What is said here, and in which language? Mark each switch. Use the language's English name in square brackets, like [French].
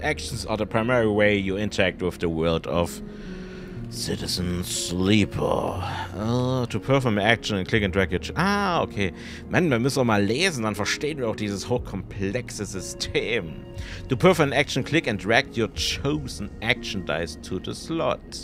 [English] Actions are the primary way you interact with the world of Citizen Sleeper. To perform an action and click and drag it. Ah, okay. [German] Man, wir müssen auch mal lesen, dann verstehen wir auch dieses hochkomplexe System. [English] To perform an action, click and drag your chosen action dice to the slot.